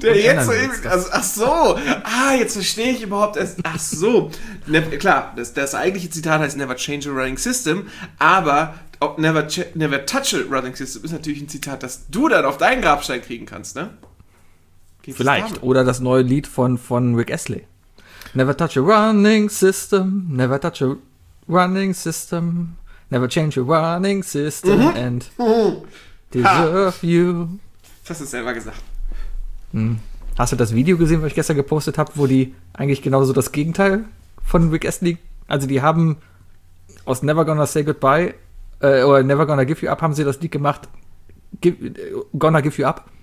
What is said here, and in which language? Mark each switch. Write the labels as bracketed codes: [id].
[de] Der jetzt so ewig, also, ach so, jetzt verstehe ich überhaupt erst, ach so. Klar, das eigentliche Zitat heißt [en] never change a running system, [de] aber [en] never touch a running system [de] ist natürlich ein Zitat, das du dann auf deinen Grabstein kriegen kannst, ne? Geht's vielleicht, damit? Oder das neue Lied von Rick Astley. [en] Never touch a running system, never touch a running system, never change a running system and deserve you. [de] Hast du es selber gesagt. Hast du das Video gesehen, was ich gestern gepostet habe, wo die eigentlich genauso das Gegenteil von Rick Astley, also die haben aus Never Gonna Say Goodbye oder Never Gonna Give You Up haben sie das Lied gemacht, Gonna Give You Up.